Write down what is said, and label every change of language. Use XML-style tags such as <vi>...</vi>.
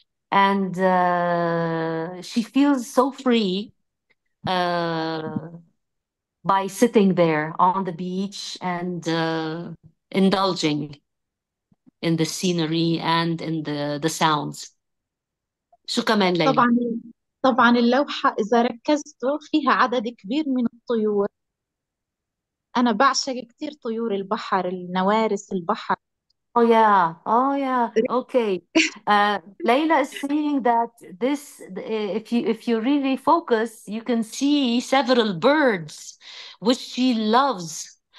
<en>And she feels so free by sitting there on the beach and indulging in the scenery and in the sounds.</en> <ar>شو كمان ليلى؟ طبعا طبعا اللوحة إذا ركزته فيها عدد كبير من الطيور، أنا بعشق كتير طيور البحر، النوارس البحر.</ar> <en>Oh yeah. Okay. Layla is saying that this, if you really focus, you can see several birds, which she loves.</en>